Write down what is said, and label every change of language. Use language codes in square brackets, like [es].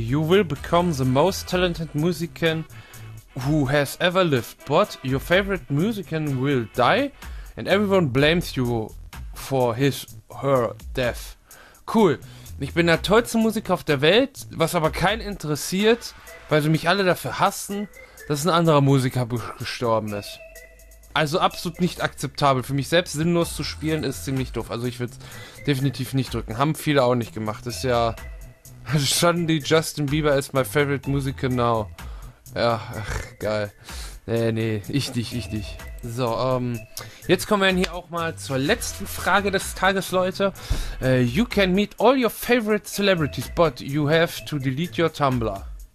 [en] You will become the most talented musician who has ever lived, but your favorite musician will die and everyone blames you for his, her death. Cool. [de] Ich bin der tollste Musiker auf der Welt, was aber keinen interessiert, weil sie mich alle dafür hassen, dass ein anderer Musiker gestorben ist. Also absolut nicht akzeptabel. Für mich selbst sinnlos zu spielen ist ziemlich doof. Also ich würde es definitiv nicht drücken. Haben viele auch nicht gemacht. Ist ja. [en] Suddenly Justin Bieber is my favorite musician now. [de] Ja, ach, geil. Nee, ich dich. So, jetzt kommen wir hier auch mal zur letzten Frage des Tages, Leute. [en] You can meet all your favorite celebrities, but you have to delete your Tumblr.